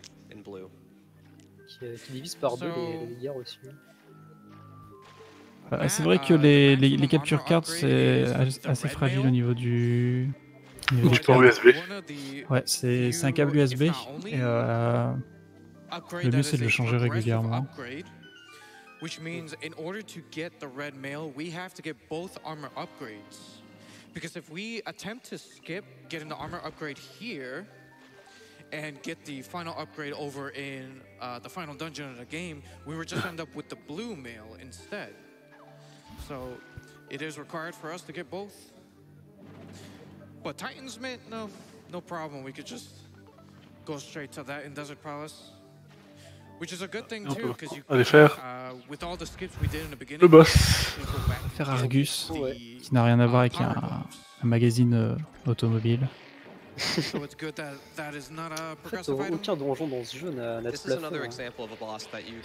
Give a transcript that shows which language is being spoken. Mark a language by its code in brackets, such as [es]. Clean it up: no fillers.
[fr] Qui divise par deux les dégâts aussi. C'est vrai que les capture cards, c'est assez fragile au niveau du. Du port USB. Ouais, c'est un câble USB. Et le mieux, c'est de le changer régulièrement. [en] Which means in order to get the red mail, we have to get both armor upgrades. Because if we attempt to skip getting the armor upgrade here. And get the final upgrade over in the final dungeon of the game, we would just end up with the blue mail instead. So it is required for us to get both. But Titan's Mint, no problem. We could just go straight to that in Desert Palace. Which is a good thing too, because you can [fr] faire [en] with all the skips we did in the beginning. [fr] Le boss. Faire Argus, qui n'a rien à voir avec un magazine automobile. Aucun donjon dans ce jeu n'a de plafond.